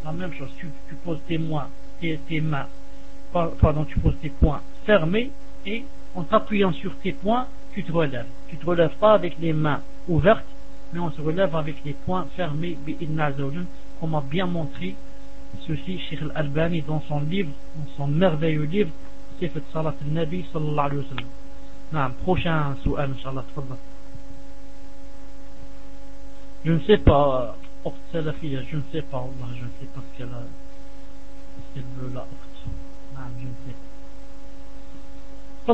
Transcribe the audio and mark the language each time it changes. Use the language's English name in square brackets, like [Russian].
[French] La même chose, tu poses tu poses tes poings fermés, et en t'appuyant sur tes poings, tu te relèves. Tu te relèves pas avec les mains ouvertes, mais on se relève avec les poings fermés, comme a bien montré ceci Cheikh Al-Albani dans son livre, dans son merveilleux livre, [Arabic] كيف صلاة النبي صلى الله عليه وسلم. نعم [French] prochain [Arabic] سؤال إن شاء الله تفضل. [French] je ne sais pas [Arabic] أخت سلفية [French] je ne sais pas [Arabic] والله [French] je ne sais pas ce qu'elle veut la أخت. نعم je ne sais pas.